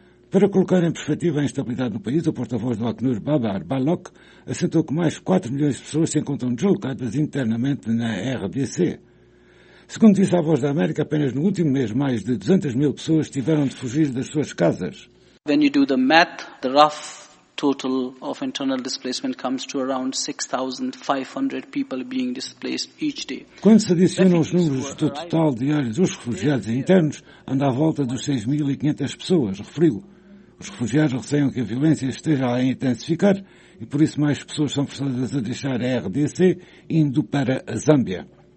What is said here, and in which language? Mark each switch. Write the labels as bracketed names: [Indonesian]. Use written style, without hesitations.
[Portuguese] Para colocar em perspectiva a instabilidade no país, o porta-voz do Acnur, Babar Balok, assentou que mais de 4 milhões de pessoas se encontram deslocadas internamente na RDC. Segundo disse a Voz da América, apenas no último mês mais de 200 mil pessoas tiveram de fugir das suas casas. [English] When you do the math, the rough total of internal displacement comes to around 6,500 people being displaced each day. [Portuguese] Quando se adicionam os números do total diário dos refugiados internos, anda à volta dos 6.500 pessoas, referiu. Os refugiados receiam que a violência esteja a intensificar e por isso mais pessoas são forçadas a deixar a RDC indo para a Zâmbia.